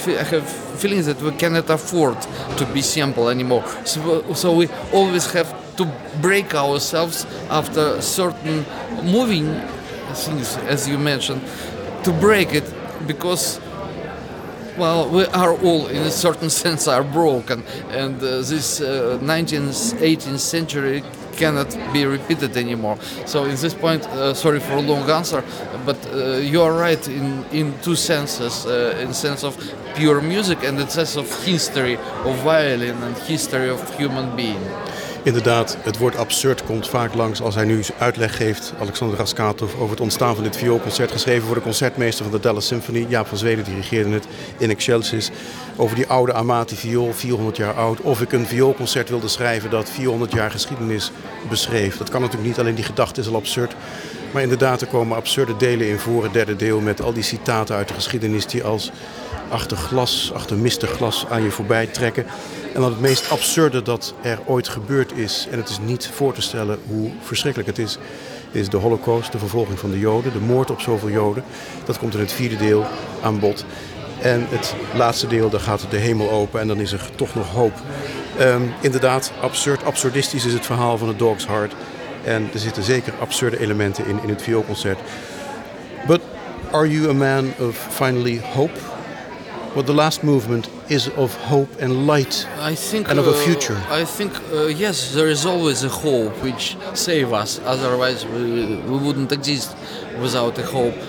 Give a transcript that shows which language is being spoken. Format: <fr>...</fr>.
<en>have feeling that we cannot afford to be simple anymore, so we always have to break ourselves after certain moving things, as you mentioned, to break it, because well, we are all in a certain sense are broken, and this 19th, 18th century cannot be repeated anymore. So in this point, sorry for a long answer, but you are right in two senses, in sense of pure music and the sense of history of violin and history of human being.</en> <nl>Inderdaad, het woord absurd komt vaak langs als hij nu uitleg geeft, Alexander Raskatov, over het ontstaan van dit vioolconcert, geschreven voor de concertmeester van de Dallas Symphony. Jaap van Zweden dirigeerde het In Excelsis, over die oude Amati-viool, 400 jaar oud. Of ik een vioolconcert wilde schrijven dat 400 jaar geschiedenis beschreef. Dat kan natuurlijk niet, alleen die gedachte is al absurd. Maar inderdaad, er komen absurde delen in voor, het derde deel, met al die citaten uit de geschiedenis die als achter glas, achter mistig glas aan je voorbij trekken. En dan het meest absurde dat er ooit gebeurd is, en het is niet voor te stellen hoe verschrikkelijk het is, is de Holocaust, de vervolging van de Joden, de moord op zoveel Joden. Dat komt in het vierde deel aan bod. En het laatste deel, daar gaat de hemel open en dan is er toch nog hoop. Inderdaad, absurd, absurdistisch is het verhaal van het Dog's Heart. En er zitten zeker absurde elementen in het vioolconcert.</nl> <en>But are you a man of finally hope? Well, the last movement is of hope and light, I think, and of a future. I think, yes, there is always a hope which saves us. Otherwise, we wouldn't exist without a hope.</en>